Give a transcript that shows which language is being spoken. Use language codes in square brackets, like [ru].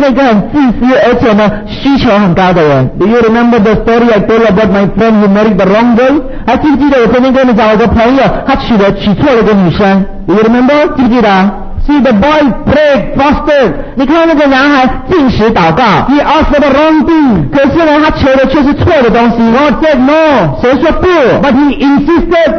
[zh] 你知道有时候我们在祷告的时候你会变成一个很自私而且呢需求很高的人。 [en] Do you remember the story I told about my friend who married the wrong girl? [zh] 还记不记得我曾经跟你讲我的朋友他娶了娶错了一个女生。 [en] Do you remember? [zh] 记不记得? [en] See the boy prayed fasted. [zh] 你看那个男孩禁食祷告。 [en] He asked for the wrong thing. [zh] 可是呢他求的却是错的东西。 [en] God said no. [zh] 谁说不? [en] But he insisted.